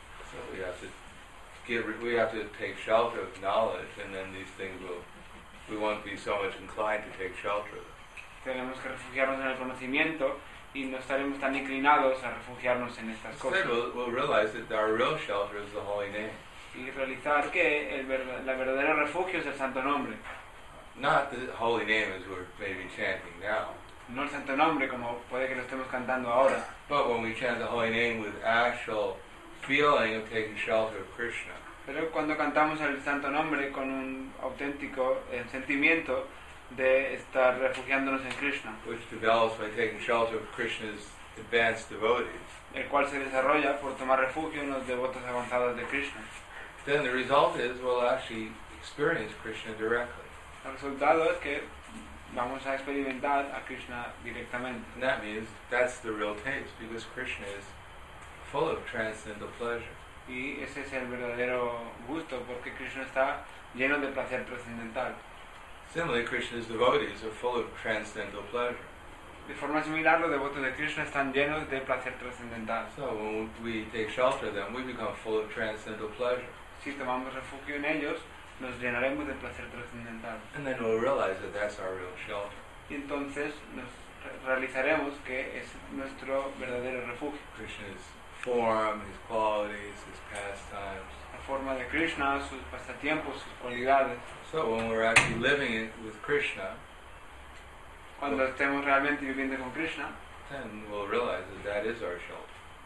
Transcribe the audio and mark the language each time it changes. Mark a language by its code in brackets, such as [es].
[en] So we have to take shelter of knowledge, and then these things we won't be so much inclined to take shelter of. [es] Tenemos que refugiarnos en el conocimiento y no estaremos tan inclinados a refugiarnos en estas cosas. [en] Instead, we'll realize that our real shelter is the holy name. [es] Y realizar que la verdadera refugio es el santo nombre. [en] Not the holy name as we're maybe chanting now. [es] No el santo nombre como puede que lo estemos cantando ahora. [en] But when we chant the holy name with actual feeling of taking shelter of Krishna. [es] Pero cuando cantamos el santo nombre con un auténtico sentimiento de estar refugiándonos en Krishna. [en] Which develops by taking shelter of Krishna's advanced devotees. [es] El cual se desarrolla por tomar refugio en los devotos avanzados de Krishna. [en] Then the result is we'll actually experience Krishna directly. [es] El resultado es que vamos a experimentar a Krishna directamente. [en] And that means that's the real taste, because Krishna is full of transcendental pleasure. [es] Y ese es el verdadero gusto, porque Krishna está lleno de placer trascendental. [en] Similarly, Krishna's devotees are full of transcendental pleasure. [es] De forma similar, los devotos de Krishna están llenos de placer trascendental. [en] So when we take shelter of them, we become full of transcendental pleasure. [es] Si tomamos refugio en ellos, nos llenaremos de placer trascendental. [en] And then we'll realize that that's our real shelter. [es] Y entonces nos realizaremos que es nuestro verdadero refugio. [en] Krishna's form, his qualities, his pastimes. [es] La forma de Krishna, sus pasatiempos, sus cualidades. [en] So when we're actually living it with Krishna, [es] cuando estemos realmente viviendo con Krishna, [en] then we'll realize that that is our shelter.